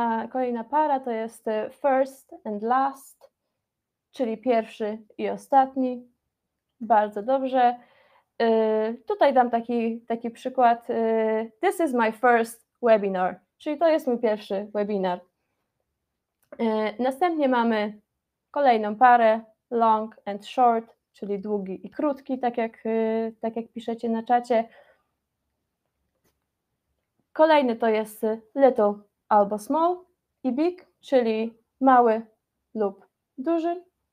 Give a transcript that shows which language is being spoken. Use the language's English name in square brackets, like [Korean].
[Polish] Kolejna para to jest first and last, czyli pierwszy i ostatni. Bardzo dobrze. Tutaj dam taki przykład. [English] This is my first webinar. [Polish] Czyli to jest mój pierwszy webinar. Następnie mamy kolejną parę, long and short, czyli długi i krótki, tak jak piszecie na czacie. Kolejny to jest little albo small i big, czyli mały lub duży.